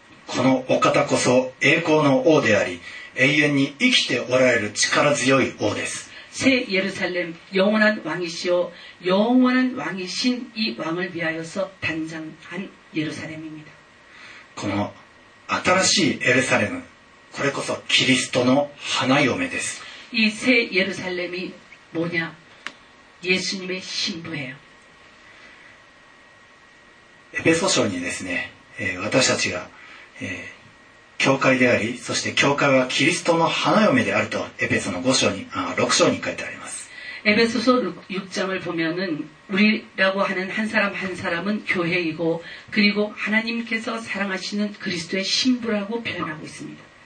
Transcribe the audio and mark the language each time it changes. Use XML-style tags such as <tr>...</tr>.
<ja>このお方こそ栄光の王であり永遠に生きておられる力強い王です。</ja> <ko>새예루살렘영원한왕이시오영원한왕이신이왕을위하여서단장한예루살렘입니다</ko> <ja>この新しいエルサレムこれこそキリストの花嫁です。</ja> <ko>이새예루살렘이뭐냐예수님의신부예요</ko> <ja>에베소서にですね私たちが教会でありそして教会はキリストの花嫁であるとエベソの5章に6章に書いてあります。</ja> <ko>에베소서6장을보면은우리라고하는한사람한사람은교회이고그리고하나님께서사랑하시는그리스도의신부라고표현하고있습니다</ko>